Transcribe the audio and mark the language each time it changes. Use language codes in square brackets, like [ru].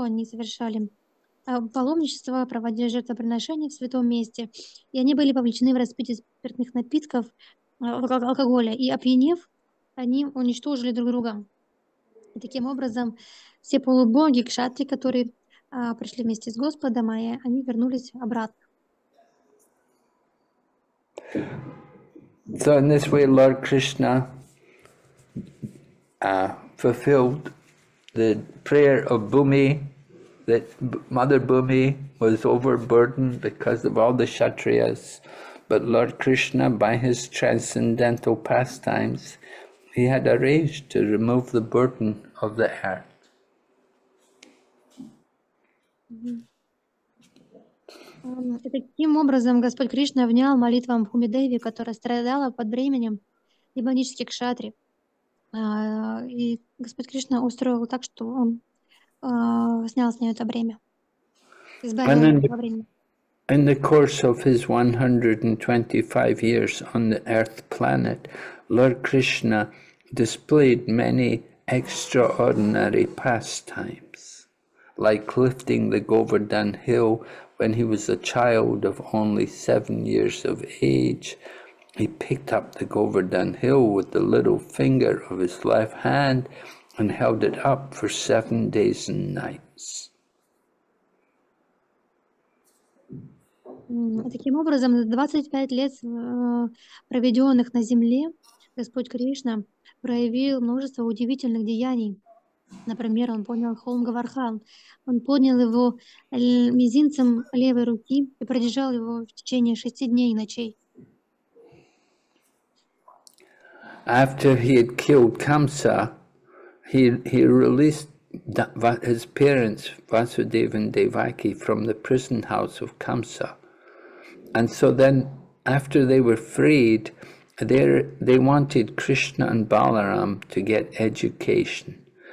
[ru] Они совершали паломничество, проводили жертвоприношения в святом месте, и они были вовлечены в распитие спиртных напитков, алкоголя, и опьянев, они уничтожили друг друга. И таким образом, все полубоги, кшатри, которые пришли вместе с Господом, они вернулись обратно. [en] So in this way, Lord Krishna fulfilled the prayer of Bhumi, that Mother Bhumi was overburdened because of all the Kshatriyas, but Lord Krishna, by his transcendental pastimes, he had arranged to remove the burden of the earth. [ru] Таким образом, Господь Кришна внял молитвам Бхуми Деви, которая страдала под бременем демонических кшатри. И Господь Кришна устроил так, что он снял с нее это бремя, избавил ее во время. [en] In the course of his 125 years on the earth planet, Lord Krishna displayed many extraordinary pastimes, like lifting the Govardhan hill when he was a child of only 7 years of age. He picked up the Govardhan hill with the little finger of his left hand and held it up for 7 days and nights. [ru] Таким образом, за 25 лет, проведенных на земле, Господь Кришна проявил множество удивительных деяний. Например, он поднял холм Говардхан. Он поднял его мизинцем левой руки и продержал его в течение 6 дней и ночей. [en] After he had killed Kamsa, he released his parents, Vasudeva and Devaki, from the prison house of Kamsa. And so then, after they were freed, they wanted Krishna and Balaram to get education.